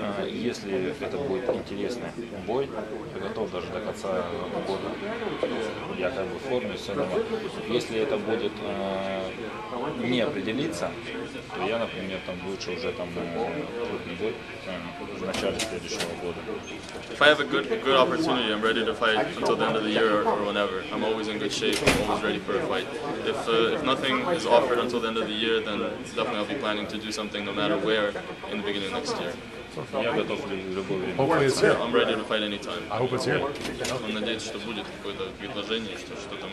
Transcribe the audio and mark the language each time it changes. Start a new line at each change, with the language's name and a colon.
Russian: Если это будет интересный бой, я готов даже до конца года. Я как бы в форме, все нормально. Если это будет не определиться, то я, например, там лучше уже там крупный бой в начале следующего года.
English: If I have a good opportunity, I'm ready to fight until the end of the year or whenever. I'm always in good shape, I'm always ready for a fight. If nothing is offered until the end of the year, then definitely I'll be planning to do something no matter where in the beginning of next year.
Russian: Я готов в любое время.
English: Hopefully it's here. I'm ready to fight anytime. I hope it's here.
Russian: Он надеется, что будет какое-то предложение, что там